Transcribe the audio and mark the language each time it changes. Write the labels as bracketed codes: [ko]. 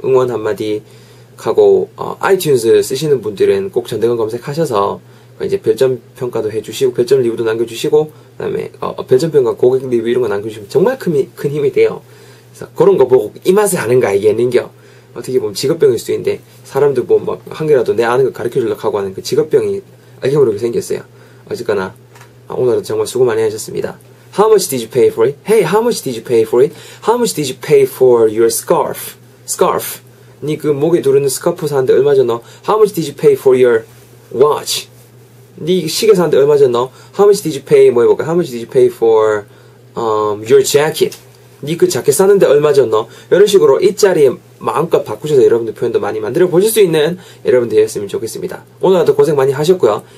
[ko] 응원 한마디 하고 아이튠즈 쓰시는 분들은 꼭 전대건 검색하셔서 이제 별점 평가도 해주시고 별점 리뷰도 남겨주시고 그다음에 별점 평가 고객 리뷰 이런 거 남겨주시면 정말 큰 힘이 돼요. 그래서 그런 거 보고 이 맛을 아는 거 알겠는겨. 어떻게 보면 직업병일 수도 있는데 사람들 보면 막 한 개라도 내 아는 거 가르쳐주려고 하고 하는 그 직업병이 알게 모르게 생겼어요. 어쨌거나 오늘은 정말 수고 많이 하셨습니다. [en] How much did you pay for it? Hey, how much did you pay for it? How much did you pay for your scarf? Scarf. [ko] 니 그 목에 두르는 스카프 사는데 얼마 줬노? [en] How much did you pay for your watch? [ko] 네 시계 사는데 얼마 줬노? [en] How much did you pay? [ko] 뭐 해볼까? [en] How much did you pay for your jacket? [ko] 네 그 자켓 사는데 얼마 줬노? 이런 식으로 이 자리에 마음껏 바꾸셔서 여러분들 표현도 많이 만들어 보실 수 있는 여러분들 되었으면 좋겠습니다. 오늘 하루도 고생 많이 하셨고요.